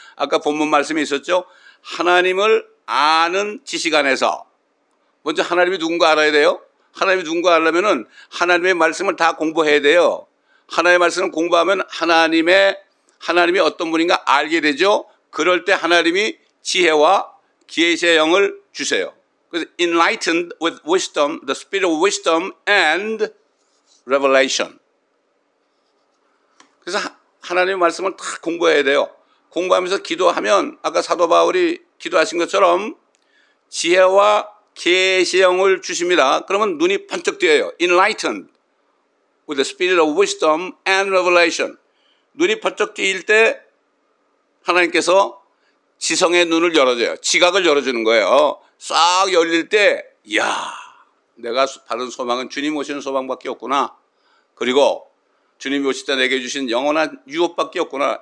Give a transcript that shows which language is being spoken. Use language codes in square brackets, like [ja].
[ko] 아까 본문 말씀이 있었죠. 하나님을 아는 지식 안에서 먼저 하나님이 누군가 알아야 돼요. 하나님이 누군가 알려면은 하나님의 말씀을 다 공부해야 돼요. 하나님의 말씀을 공부하면 하나님이 어떤 분인가 알게 되죠. 그럴 때 하나님이 지혜와 계시의 영을 주세요. [en] 그래서 enlightened with wisdom, the spirit of wisdom and revelation. [ko] 그래서 하나님의 말씀을 다 공부해야 돼요. 공부하면서 기도하면 아까 사도 바울이 기도하신 것처럼 지혜와 계시형을 주십니다. 그러면 눈이 번쩍 뛰어요. [en] Enlightened with the spirit of wisdom and revelation. [ko] 눈이 번쩍 뛰일 때 하나님께서 지성의 눈을 열어줘요. 지각을 열어주는 거예요. 싹 열릴 때 이야 내가 받은 소망은 주님 오시는 소망밖에 없구나. 그리고 주님이 오실 때 내게 주신 영원한 유업밖에 없구나.